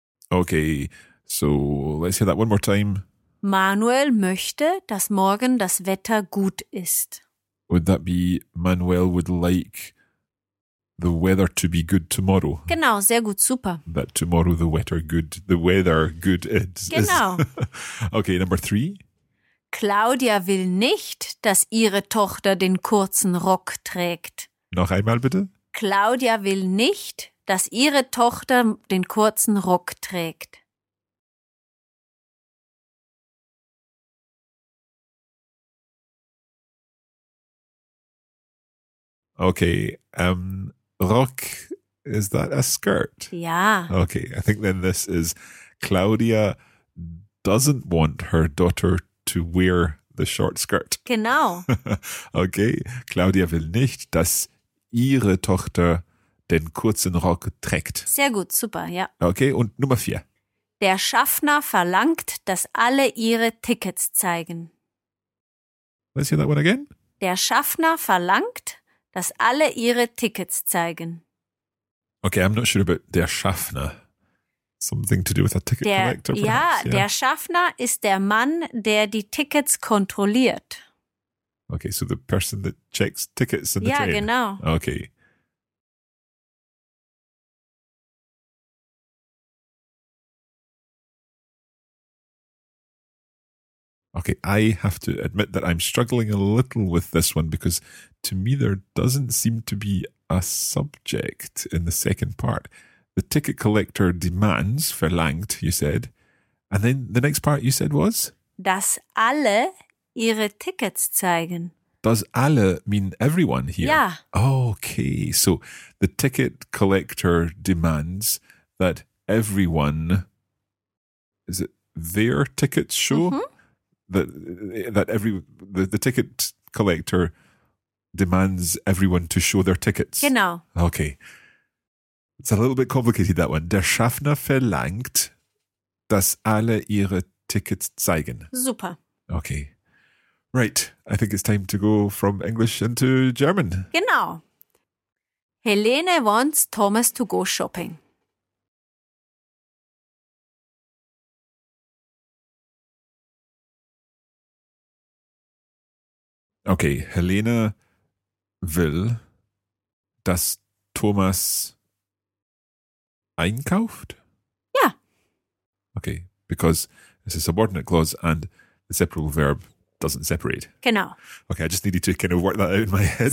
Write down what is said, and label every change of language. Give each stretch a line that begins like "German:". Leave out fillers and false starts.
English: Okay, so let's hear that one more time.
German: Manuel möchte, dass morgen das Wetter gut ist.
English: Would that be Manuel would like the weather to be good tomorrow?
German: Genau, sehr gut, super.
English: That tomorrow the weather good is.
German: Genau.
English: Okay, number three.
German: Claudia will nicht, dass ihre Tochter den kurzen Rock trägt. Noch einmal bitte. Claudia will nicht, dass ihre Tochter den kurzen Rock trägt.
English: Okay, Rock, is that a skirt? Yeah. Okay, I think then this is Claudia doesn't want her daughter to wear the short skirt.
German: Genau. Okay, Claudia will nicht, dass ihre Tochter den kurzen Rock trägt. Sehr gut, super, ja. Okay, und Nummer vier. Der Schaffner verlangt, dass alle ihre Tickets zeigen.
English: Let's hear that one again.
German: Der Schaffner verlangt, dass alle ihre Tickets zeigen.
English: Okay, I'm not sure about der Schaffner. Something to do with a ticket collector, perhaps.
German: Ja, der Schaffner ist der Mann, der die Tickets kontrolliert.
English: Okay, so the person that checks tickets in the
German: train. Ja, genau.
English: Okay. Okay, I have to admit that I'm struggling a little with this one because to me there doesn't seem to be a subject in the second part. The ticket collector demands, verlangt, you said. And then the next part you said was?
German: Dass alle ihre Tickets zeigen.
English: Does alle mean everyone here? Yeah. Okay, so the ticket collector demands that everyone, is it their tickets show? Mm-hmm. That the ticket collector demands everyone to show their tickets.
German: Genau.
English: Okay. It's a little bit complicated, that one.
German: Der Schaffner verlangt, dass alle ihre Tickets zeigen.
English: Super. Okay. Right. I think it's time to go from English into German.
German: Genau.
English: Helene wants Thomas to go shopping.
German: Okay, Helene will, dass Thomas einkauft?
English: Yeah. Okay, because it's a subordinate clause and the separable verb doesn't separate.
German: Genau.
English: Okay, I just needed to kind of work that out in my head.